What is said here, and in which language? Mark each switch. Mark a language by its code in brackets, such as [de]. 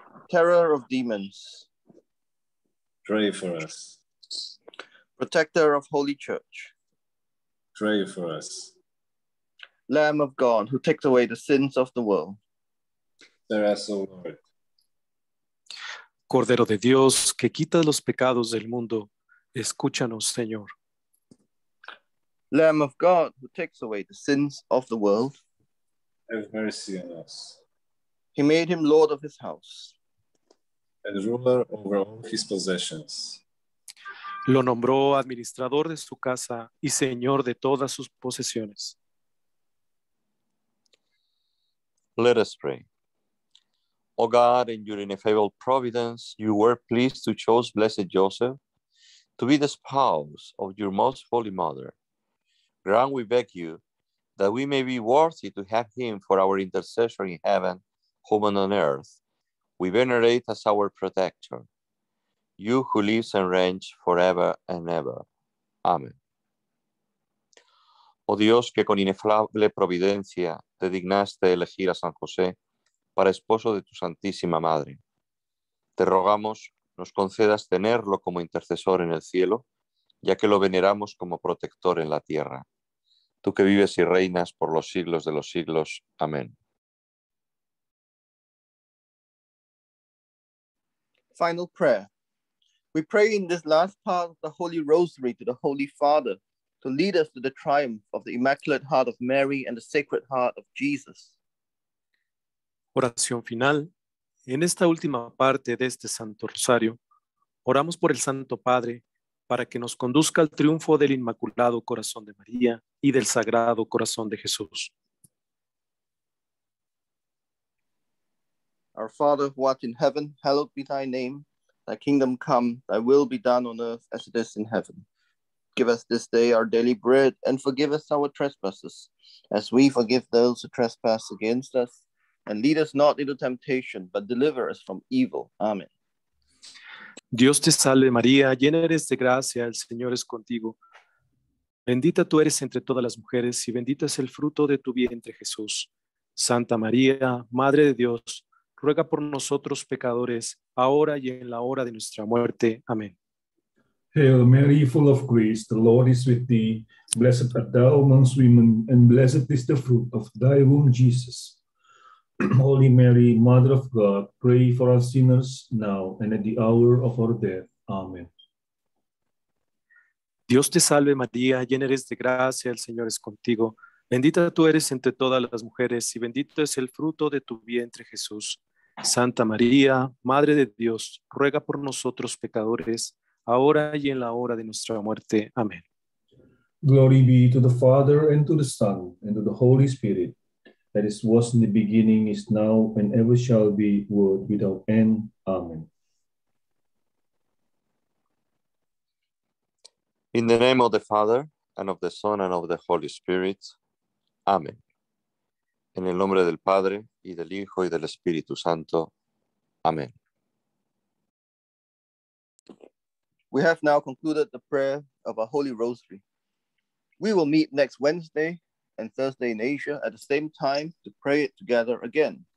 [en] Terror of Demons. Pray for us. Protector of Holy Church. Pray for us. Lamb of God, who takes away the sins of the world. Hear us, O Lord. [es] Cordero de Dios, que quitas los pecados del mundo, escúchanos, Señor. [en] Lamb of God, who takes away the sins of the world. Have mercy on us. He made him Lord of his house. And ruler over all his possessions. [es] Lo nombró administrador de su casa y señor de todas sus posesiones. [en] Let us pray. O God, in your ineffable providence, you were pleased to choose blessed Joseph to be the spouse of your most holy mother. Grant, we beg you, that we may be worthy to have him for our intercessor in heaven, whom on earth we venerate as our protector. You who lives and reigns forever and ever. Amen. [es] Oh Dios, que con inefable providencia te dignaste elegir a San José para esposo de tu Santísima Madre, te rogamos nos concedas tenerlo como intercesor en el cielo, ya que lo veneramos como protector en la tierra. Tú que vives y reinas por los siglos de los siglos. Amén. [en] Final prayer. We pray in this last part of the Holy Rosary to the Holy Father to lead us to the triumph of the Immaculate Heart of Mary and the Sacred Heart of Jesus. [es] Oración final. En esta última parte de este Santo Rosario, oramos por el Santo Padre para que nos conduzca al triunfo del Inmaculado Corazón de María y del Sagrado Corazón de Jesús. [en] Our Father, who art in heaven, hallowed be thy name. Thy kingdom come, thy will be done on earth as it is in heaven. Give us this day our daily bread, and forgive us our trespasses, as we forgive those who trespass against us. And lead us not into temptation, but deliver us from evil. Amen. [es] Dios te salve, María, llena eres de gracia, el Señor es contigo. Bendita tú eres entre todas las mujeres, y bendito es el fruto de tu vientre, Jesús. Santa María, Madre de Dios, ruega por nosotros, pecadores, ahora y en la hora de nuestra muerte. Amén. [en] Hail Mary, full of grace, the Lord is with thee. Blessed art thou amongst women, and blessed is the fruit of thy womb, Jesus. Holy Mary, Mother of God, pray for us sinners now and at the hour of our death. Amen. [es] Dios te salve, María, llena eres de gracia, el Señor es contigo. Bendita tú eres entre todas las mujeres, y bendito es el fruto de tu vientre, Jesús. Santa María, Madre de Dios, ruega por nosotros, pecadores, ahora y en la hora de nuestra muerte. Amén. [en] Glory be to the Father, and to the Son, and to the Holy Spirit, as it was in the beginning, is now, and ever shall be, world without end. Amen. In the name of the Father, and of the Son, and of the Holy Spirit. Amen. [es] En el nombre del Padre, y del Hijo, y del Espíritu Santo. Amen. [en] We have now concluded the prayer of our Holy Rosary. We will meet next Wednesday and Thursday in Asia at the same time to pray it together again.